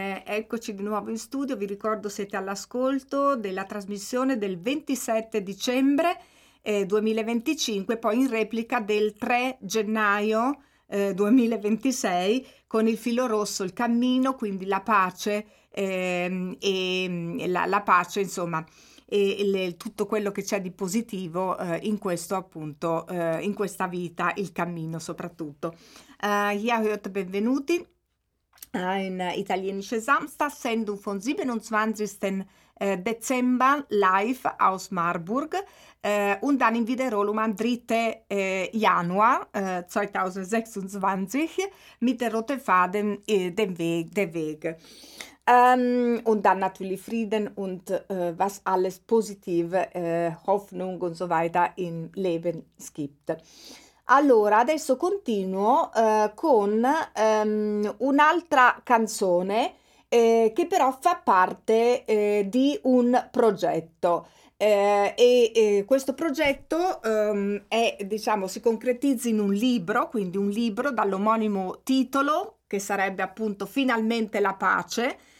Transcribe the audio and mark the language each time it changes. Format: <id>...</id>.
<it>Eccoci di nuovo in studio, vi ricordo siete all'ascolto della trasmissione del 27 dicembre 2025, poi in replica del 3 gennaio 2026 con il filo rosso, il cammino, quindi la pace e la pace, insomma, e tutto quello che c'è di positivo in questa vita, il cammino soprattutto. Jahut, benvenuti.</it> <de>Ein italienisches Samstag, Sendung vom 27. Dezember, live aus Marburg. Und dann in wiederholung am 3. Januar 2026 mit der Rote Faden, dem Weg. Und dann natürlich Frieden und was alles positiv, Hoffnung und so weiter im Leben gibt.</de> <it>Allora, adesso continuo con un'altra canzone che però fa parte di un progetto e questo progetto è, diciamo, si concretizza in un libro, quindi un libro dall'omonimo titolo che sarebbe appunto Finalmente la pace.</it>